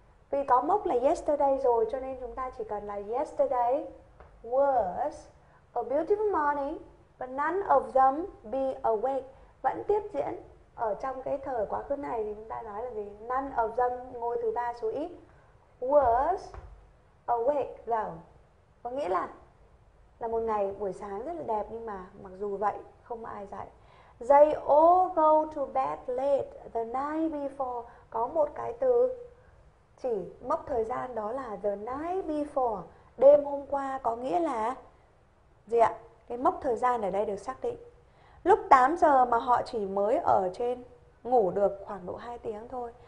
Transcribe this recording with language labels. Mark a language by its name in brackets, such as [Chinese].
[Vietnamese] Vì có mốc là yesterday rồi cho nên chúng ta chỉ cần là [English] yesterday was a beautiful morning, but none of them be awake. [Vietnamese] Vẫn tiếp diễn ở trong cái thời quá khứ này thì chúng ta nói là gì? [English] None of them, [Vietnamese] ngôi thứ ba số ít, [English] was awake though. [Vietnamese] Có nghĩa là một ngày buổi sáng rất là đẹp nhưng mà mặc dù vậy không ai dậy. [English] They all go to bed late the night before. [Vietnamese] Có một cái từ chỉ mốc thời gian đó là the night before, đêm hôm qua, có nghĩa là gì ạ? Cái mốc thời gian ở đây được xác định. Lúc 8 giờ mà họ chỉ mới ở trên ngủ được khoảng độ 2 tiếng thôi.